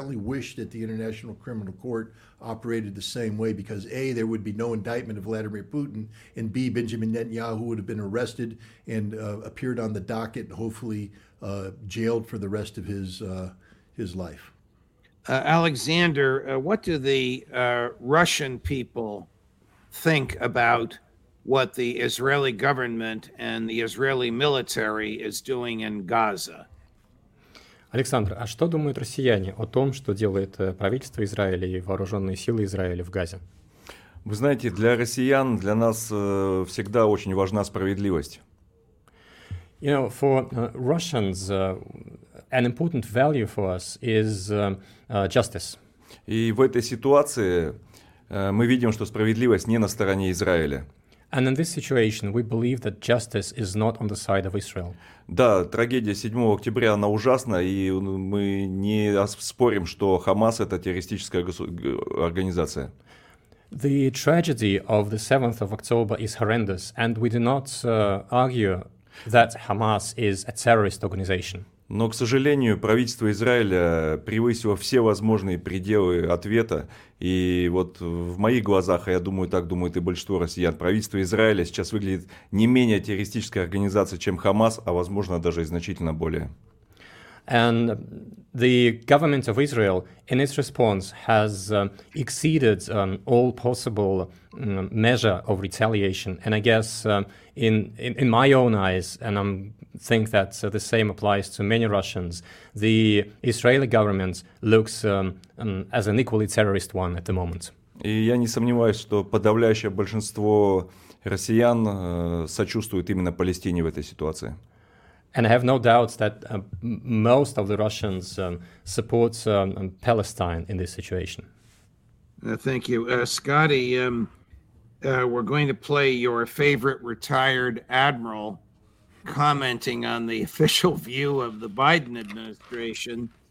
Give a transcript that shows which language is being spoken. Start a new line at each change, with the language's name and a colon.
English: I only wish that the International Criminal Court operated the same way, because A, there would be no indictment of Vladimir Putin, and B, Benjamin Netanyahu would have been arrested and appeared on the docket and hopefully jailed for the rest of his life. Alexander, what do the Russian people think about what the Israeli government and the Israeli military is doing in Gaza?
Russian: Александр, а что думают россияне о том, что делает правительство Израиля и вооруженные силы Израиля в Газе? Вы знаете, для россиян, для нас всегда очень важна справедливость.
English: You know, for Russians, an important value for us is justice.
Russian: И в этой ситуации мы видим, что справедливость не на стороне Израиля.
English: And in this situation, we believe that justice is not on the side of Israel.
Russian: Да, трагедия 7 октября, она ужасна, и мы не спорим, что Хамас — это террористическая организация.
English: The tragedy of the 7th of October is horrendous, and we do not argue that Hamas is a terrorist organization.
Russian: Но, к сожалению, правительство Израиля превысило все возможные пределы ответа. И вот в моих глазах, а я думаю, так думает и большинство россиян, правительство Израиля сейчас выглядит не менее террористической организацией, чем Хамас, а, возможно, даже и значительно более.
English: And the government of Israel, in its response, has exceeded all possible measure of retaliation. And I guess, in my own eyes, and I think that the same applies to many Russians, the Israeli government looks as an equally terrorist one at the moment.
Russian: И я не сомневаюсь, что подавляющее большинство россиян сочувствует именно Палестине в этой ситуации.
English: And I have no doubt that most of the Russians support Palestine in this situation. Thank you. Scotty, we're going to play your favorite retired admiral commenting on the official view of the Biden administration.